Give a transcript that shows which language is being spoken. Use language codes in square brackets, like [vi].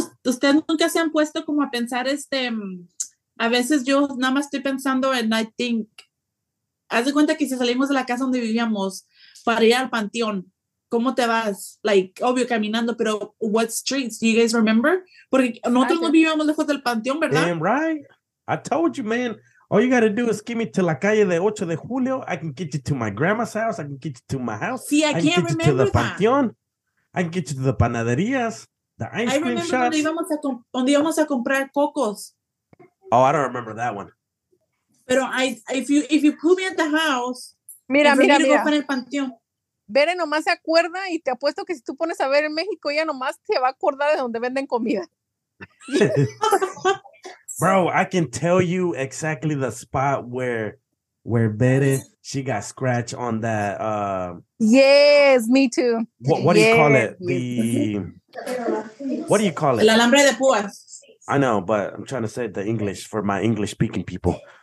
[es] ¿Ustedes nunca se han puesto como a pensar a veces yo nada más estoy pensando en [en] I think. [es] Haz de cuenta que si salimos de la casa donde vivíamos para ir al panteón. ¿Cómo te vas? [en] Like, [es] obvio, caminando, pero [en] what streets? Do you guys remember? [es] Porque nosotros no vivíamos lejos del panteón, ¿verdad? [en] Damn right. I told you, man. All you got to do is get me to [es] la calle de 8 de Julio. [en] I can get you to my grandma's house. I can get you to my house. See, I can't remember that. I can get you to the [es] panteón. [en] I can get you to the panaderías, the ice cream shops. I remember [es] donde íbamos a comprar cocos. [en] Oh, I don't remember that one. [es] Pero [en] if you put me at the house, [es] mira, [en] I'm going to go [es] para el panteón. Bere nomás se acuerda, y te apuesto que si tú pones a ver en México, ella nomás se va a acordar de donde venden comida. [en] Bro, I can tell you exactly the spot where Bere, she got scratched on that. Yes, me too. What do you call it? The what do you call it? [es] El alambre de púas. [en] I know, but I'm trying to say the English for my English speaking people.